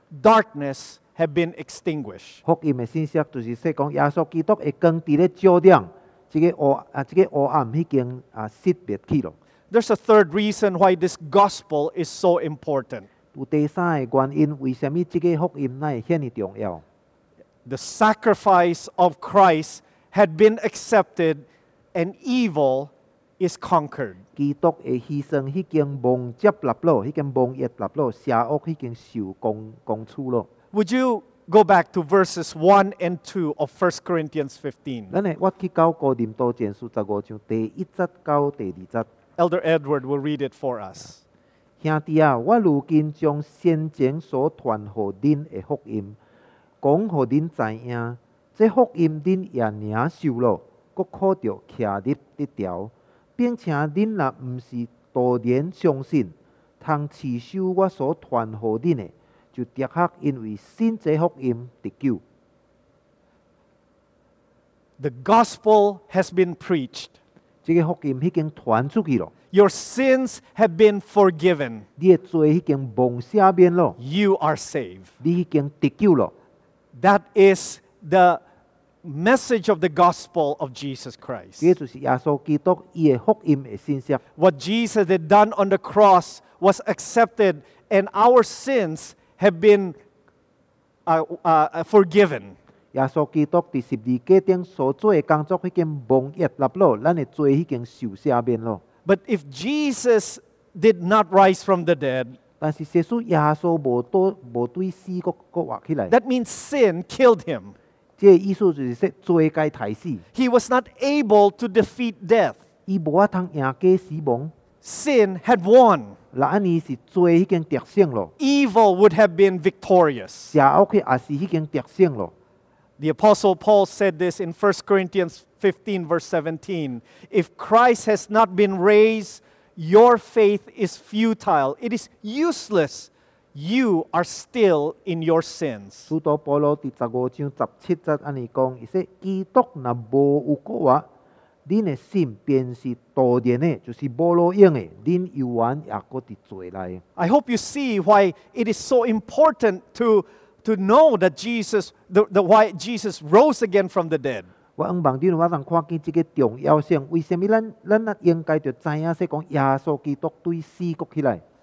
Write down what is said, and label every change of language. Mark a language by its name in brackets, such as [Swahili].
[English] Darkness has been extinguished. There's a third reason why this gospel is so important. The sacrifice of Christ had been accepted and evil is conquered. [Min Nan Chinese] 基督的牺牲已经蒙接纳了，已经蒙接纳了，邪恶已经受攻除了。 [English] Would you go back to verses 1 and 2 of 1 Corinthians 15? [Min Nan Chinese] 我去到哥林多前书15章第一节到第二节。 [English] Elder Edward will read it for us. [Min Nan Chinese] 兄弟啊，我如今将先前所传予恁的福音，讲予恁知影，这福音恁也领受了，搁靠着徛立得着，并且恁若毋是笃然相信，通持守我所传予恁的，就的确因为信这福音得救。 [English] The gospel has been preached. [Min Nan Chinese] 这个福音已经传出去了。 [English] Your sins have been forgiven. [Min Nan Chinese] 你的罪已经蒙赦免了。 [English] You are saved. [Min Nan Chinese] 你已经得救了。 [English] That is the message of the gospel of Jesus Christ. [Min Nan Chinese] 这就是耶稣基督伊的福音的信息。 [English] What Jesus had done on the cross was accepted, and our sins have been forgiven. [Min Nan Chinese] 耶稣基督在十字架顶所做的工作已经蒙接纳了，咱的罪已经受赦免了。 [English] But if Jesus did not rise from the dead, [Min Nan Chinese] 但是耶稣无对死搁活起来。 [English] That means sin killed him. [Min Nan Chinese] 这个意思就是说罪该杀死。 [English] He was not able to defeat death. [Min Nan Chinese] 伊无法通赢过死亡。 [English] Sin had won. [Min Nan Chinese] 那安尼是罪已经得胜了。 [English] Evil would have been victorious. [Min Nan Chinese] 邪恶也是已经得胜了。 [English] The Apostle Paul said this in 1 Corinthians 15, verse 17. If Christ has not been raised, your faith is futile. It is useless. You are still in your sins. [Min Nan Chinese] 使徒保罗在十五章十七节安尼讲，伊说：基督若无有复活，恁的信便是徒然的，就是无路用的，恁犹原也搁伫罪内。 [English] I hope you see why it is so important to know that Jesus, why Jesus rose again from the dead. [Min Nan Chinese] 我希望你能够看见这个重要性。为什么咱应该就知影说讲耶稣基督对死过起来